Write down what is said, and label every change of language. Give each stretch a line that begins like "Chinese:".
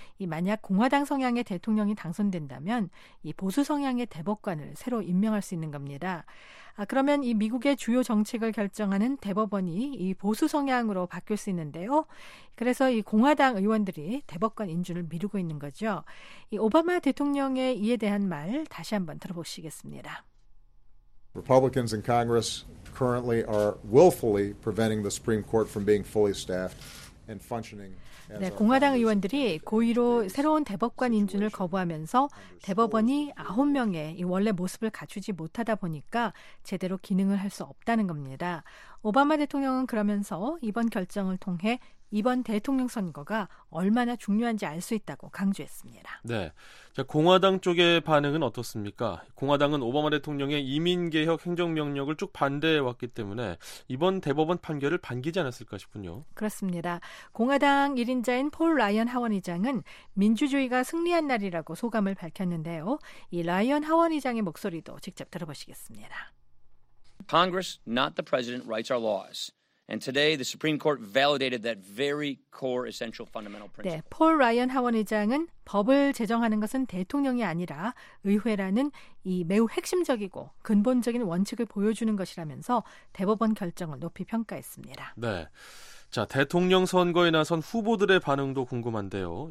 Korean: 이 만약 공화당 성향의 대통령이 당선된다면 이 보수 성향의 대법관을 새로 임명할 수 있는 겁니다. 아, 그러면 이 미국의 주요 정책을 결정하는 대법원이 이 보수 성향으로 바뀔 수 있는데요. 그래서 이 공화당 의원들이 대법관 인준을 미루고 있는 거죠. 이 오바마 대통령의 이에 대한 말 다시 한번 들어보시겠습니다.
English: Republicans in Congress currently are willfully preventing the Supreme Court from being fully staffed and functioning.
Korean: 네, 공화당 의원들이 고의로 새로운 대법관 인준을 거부하면서 대법원이 9명의 이 원래 모습을 갖추지 못하다 보니까 제대로 기능을 할 수 없다는 겁니다. 오바마 대통령은 그러면서 이번 결정을 통해 이번 대통령 선거가 얼마나 중요한지 알 수 있다고 강조했습니다. 네, 자, 공화당 쪽의 반응은 어떻습니까? 공화당은 오바마 대통령의 이민개혁 행정명령을 쭉 반대해왔기 때문에 이번 대법원 판결을 반기지 않았을까 싶군요. 그렇습니다. 공화당 1인자인 폴 라이언 하원의장은 민주주의가 승리한 날이라고 소감을 밝혔는데요. 이 라이언 하원의장의 목소리도 직접 들어보시겠습니다.
English: Congress, not the president, writes our laws. And today the Supreme Court validated that very core essential fundamental principle.
Korean: 네, 폴 라이언 하원 의장은 법을 제정하는 것은 대통령이 아니라 의회라는 이 매우 핵심적이고 근본적인 원칙을 보여주는 것이라면서 대법원 결정을 높이 평가했습니다. 네. 자, 대통령 선거에 나선 후보들의 반응도 궁금한데요.